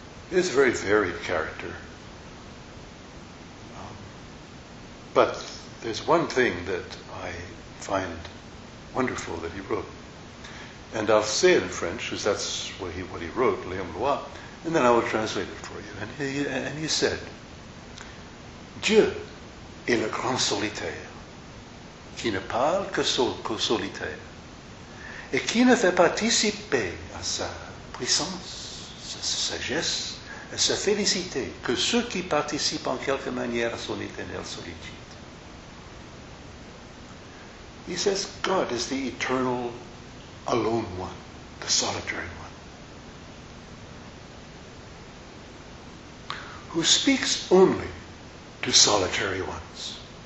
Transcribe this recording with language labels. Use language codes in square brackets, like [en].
[en] He's a very varied character. But there's one thing that I find wonderful that he wrote. And I'll say it in French, because that's what he wrote, Léon Blois, and then I will translate it for you. And he said, [fr] Dieu est le grand solitaire, qui ne parle que solitaire, et qui ne fait participer à sa puissance, sa sagesse, et sa félicité, que ceux qui participent en quelque manière à son éternelle solitude. [en] He says, God is the eternal alone one, the solitary one, who speaks only to solitary ones.